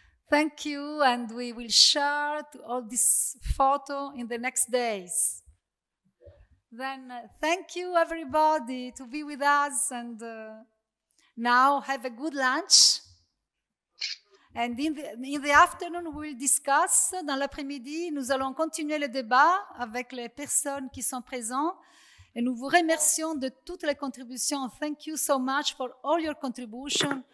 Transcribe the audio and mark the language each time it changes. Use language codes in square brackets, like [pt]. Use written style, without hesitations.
[en] Thank you, and we will share all this photo in the next days. Then thank you everybody to be with us, and now have a good lunch. And in the afternoon, we'll discuss. [fr] Dans l'après-midi, nous allons continuer le débat avec les personnes qui sont présentes. Et nous vous remercions de toutes les contributions. [en] Thank you so much for all your contributions.